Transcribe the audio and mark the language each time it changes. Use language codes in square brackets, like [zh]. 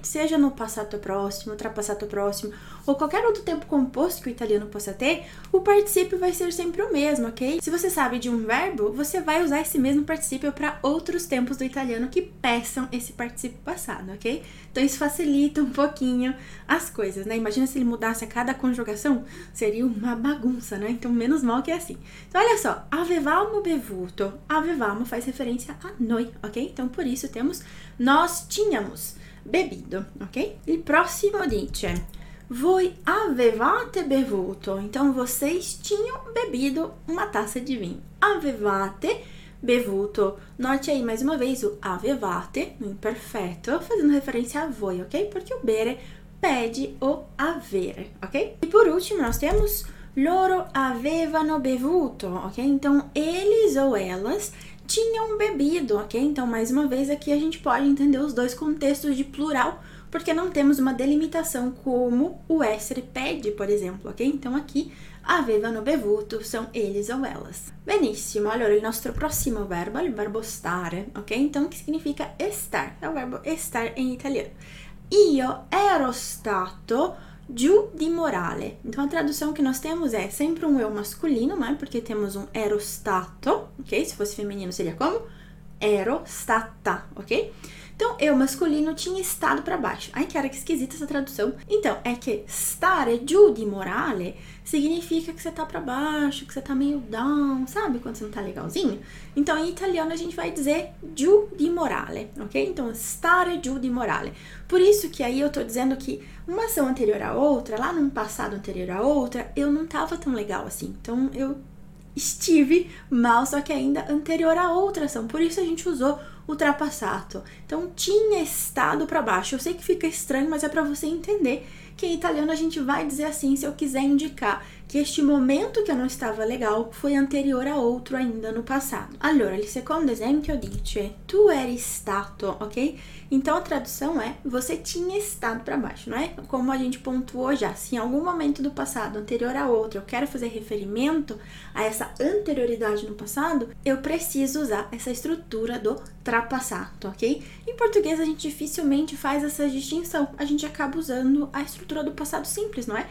[pt] Seja no passato próximo, ultrapassato próximo, ou qualquer outro tempo composto que o italiano possa ter, o participio vai ser sempre o mesmo, ok? Se você sabe de um verbo, você vai usar esse mesmo participio para outros tempos do italiano que peçam esse participio passado, ok? Então, isso facilita um pouquinho as coisas, né? Imagina se ele mudasse a cada conjugação, seria uma bagunça, né? Então, menos mal que é assim. Então, olha só, [it] avevamo bevuto. [pt] Avevamo faz referência a noi, ok? Então por isso temos nós tínhamos bebido, ok? [it] Il prossimo dice: voi avevate bevuto. [pt] Então vocês tinham bebido uma taça de vinho. [it] Avevate bevuto. [pt] Note aí mais uma vez o avevate no imperfeito, fazendo referência a voi, ok? Porque o bere pede o avere, ok? E por último nós temos [it] loro avevano bevuto, [pt] ok? Então eles ou elas tinham bebido, ok? Então, mais uma vez aqui a gente pode entender os dois contextos de plural, porque não temos uma delimitação como o essere pede, por exemplo, ok? Então, aqui, [it] avevano bevuto, [pt] são eles ou elas. [it] Benissimo, allora, il nostro prossimo verbo è il verbo stare, ok? [pt] Então, [it] che significa [pt] estar? É o verbo estar em italiano. [it] Io ero stato giù di morale. [pt] Então a tradução que nós temos é sempre um eu masculino, né? Porque temos um [it] ero stato, [pt] ok? Se fosse feminino seria como? [it] Ero stata, [pt] ok? Então eu masculino tinha estado para baixo. Ai, cara, que esquisita essa tradução. Então é que [it] stare giù di morale [pt] significa que você tá para baixo, que você tá meio down, sabe? Quando você não tá legalzinho. Então em italiano a gente vai dizer [it] giù di morale, [pt] ok? Então [it] stare giù di morale. [pt] Por isso que aí eu tô dizendo que uma ação anterior à outra, lá num passado anterior à outra, eu não tava tão legal assim. Então eu estive mal, só que ainda anterior à outra ação. Por isso a gente usou ultrapassato. Então tinha estado para baixo. Eu sei que fica estranho, mas é para você entender que em italiano a gente vai dizer assim se eu quiser indicar que este momento que eu não estava legal foi anterior a outro ainda no passado. [it] Allora, il secondo esempio dice: tu eri stato, ok? [pt] Então a tradução é: você tinha estado para baixo, não é? Como a gente pontuou já, se em algum momento do passado anterior a outro eu quero fazer referimento a essa anterioridade no passado, eu preciso usar essa estrutura do trapassato, ok? Em português a gente dificilmente faz essa distinção, a gente acaba usando a estrutura do passado simples, não é?